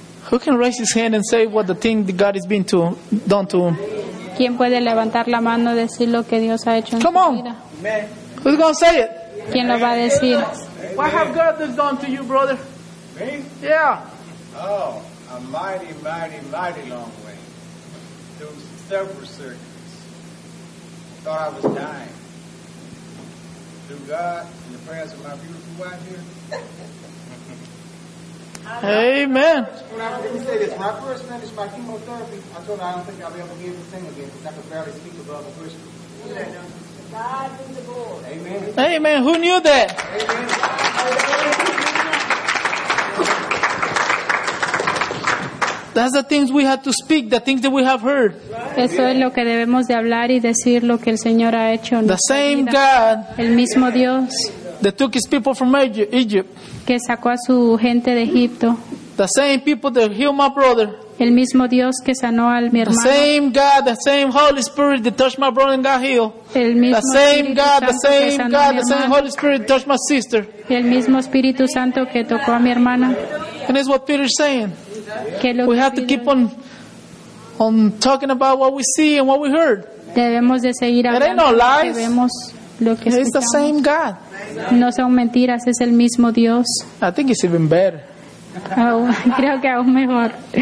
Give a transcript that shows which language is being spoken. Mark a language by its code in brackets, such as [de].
[en] Who can raise his hand and say what the thing that God has been to done to him? [es] ¿Quién puede levantar la mano decir lo que Dios ha hecho en su vida? [en] Come on. Who's going to say it? [es] ¿Quién lo va a decir? [en] What have God done to you, brother? Me? Yeah. Oh, a mighty, mighty, mighty long way. Through several circuits. I thought I was dying. Through God and the prayers of my beautiful wife here. Amen. Let me say this. When I first finished my chemotherapy, I told her I don't think I'll be able to give a thing again because I could barely speak above a whisper. God is the Lord. Amen. Amen. Who knew that? Amen. That's the things we have to speak, the things that we have heard. [es] Eso es lo que debemos de hablar y decir lo que el Señor ha hecho. [en] The same God, [es] el mismo Dios, [en] that took His people from Egypt, [es] que sacó a su gente de Egipto. [en] The same people that healed my brother. [es] El mismo Dios que sanó a mi hermano. [en] The same God, the same Holy Spirit that touched my brother and got healed. [es] El mismo [en] the same Holy Spirit that touched my sister. [es] El mismo Espíritu Santo que tocó a mi hermana. [en] And it's what Peter's saying. We have to keep on talking about what we see and what we heard. [es] Debemos de seguir hablando. [en] It ain't no lies. [es] Debemos lo que escuchamos. [en] It's the same God. [es] No son mentiras, es el mismo Dios. [en] I think it's even better. [es] Creo que aún mejor.